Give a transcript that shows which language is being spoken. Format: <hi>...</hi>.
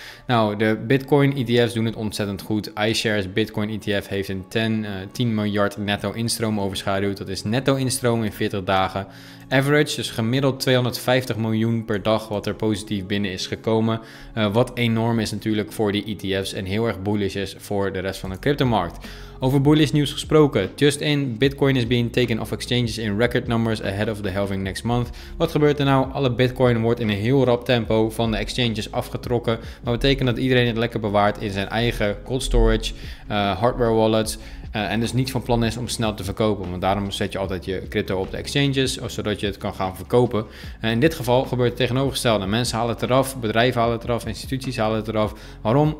<nl>Nou, de Bitcoin ETF's doen het ontzettend goed. iShares Bitcoin ETF heeft een 10 miljard netto instroom overschaduwd. Dat is netto instroom in 40 dagen. Average, dus gemiddeld 250 miljoen per dag wat er positief binnen is gekomen. Wat enorm is natuurlijk voor die ETF's en heel erg bullish is voor de rest van de cryptomarkt. Over bullish nieuws gesproken,</nl> <en>just in, Bitcoin is being taken off exchanges in record numbers ahead of the halving next month.</en> <nl>Wat gebeurt er nou? Alle Bitcoin wordt in een heel rap tempo van de exchanges afgetrokken. Wat betekent dat iedereen het lekker bewaart in zijn eigen cold storage, hardware wallets. En dus niet van plan is om snel te verkopen. Want daarom zet je altijd je crypto op de exchanges, zodat je het kan gaan verkopen. En in dit geval gebeurt het tegenovergestelde. Mensen halen het eraf, bedrijven halen het eraf, instituties halen het eraf. Waarom?</nl>